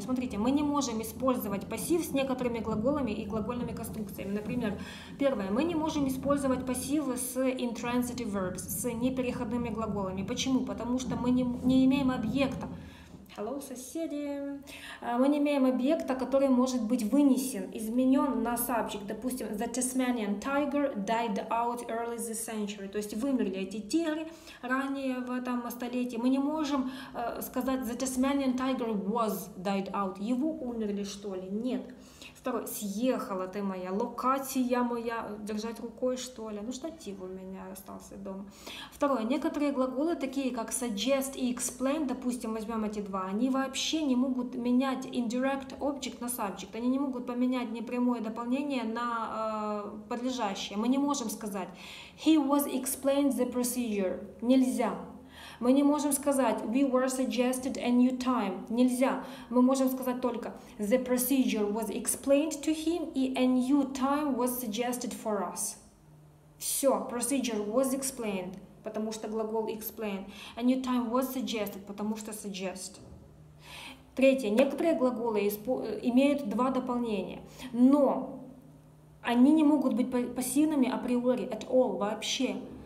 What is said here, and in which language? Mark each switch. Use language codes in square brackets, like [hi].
[ru] Смотрите, мы не можем использовать пассив с некоторыми глаголами и глагольными конструкциями. Например, первое, мы не можем использовать пассивы с [en] intransitive verbs, [ru] с непереходными глаголами. Почему? Потому что мы не имеем объекта. Hello, соседи! Мы не имеем объекта, который может быть вынесен, изменен на subject. Допустим, [en] the Tasmanian tiger died out early this century. [ru] То есть вымерли эти тигры ранее в этом столетии. Мы не можем сказать [en] the Tasmanian tiger was died out. [ru] Его умерли, что ли? Нет. Второе, съехала ты моя, локация моя, держать рукой, что ли. Ну, штатив у меня остался дома. Второе, некоторые глаголы, такие как suggest и explain, допустим, возьмем эти два, они вообще не могут менять [en] indirect object [ru] на subject. Они не могут поменять непрямое дополнение на подлежащее. Мы не можем сказать [en] he was explained the procedure. [ru] Нельзя. Мы не можем сказать [en] we were suggested a new time. [ru] Нельзя. Мы можем сказать только [en] the procedure was explained to him и a new time was suggested for us. [ru] Все. [en] Procedure was explained, [ru] потому что глагол [en] explain. A new time was suggested, [ru] потому что [en] suggest. [ru] Третье. Некоторые глаголы имеют два дополнения, но они не могут быть пассивными априори, [en] at all, [ru] вообще.